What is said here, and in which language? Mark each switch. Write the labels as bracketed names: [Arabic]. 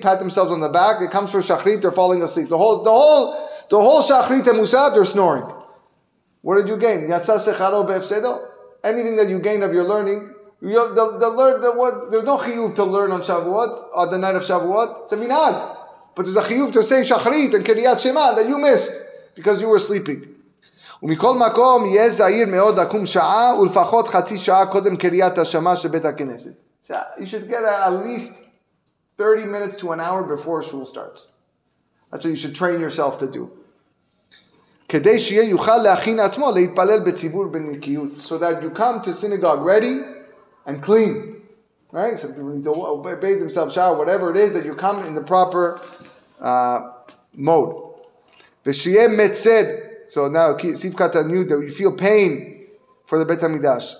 [English] Pat themselves on the back. It comes for Shachrit, they're falling asleep. The whole Shachrit and Musab, they're snoring. What did you gain? Anything that you gain of your learning, There's no chiyuv to learn on Shavuot, on the night of Shavuot. It's a minag. But there's a chiyuv to say shachrit and kiriyat shema that you missed because you were sleeping. [Hebrew] ומכל מקום יהיה זהיר מאוד לקום שעה ולפחות חצי שעה קודם קריאת השמה של בית הכנסת. [English] So you should get at least 30 minutes to an hour before shul starts. That's what you should train yourself to do. [Hebrew] כדי שיהיה יוכל להכין עצמו להתפלל בציבור בנקיות. [English] So that you come to synagogue ready and clean. Right? So you don't bathe themselves, shower, whatever it is, that you come in the proper mode. [Hebrew] ושיהיה מצד. [English] So now, Siv Katan Yud, that you feel pain for the Beit HaMikdash.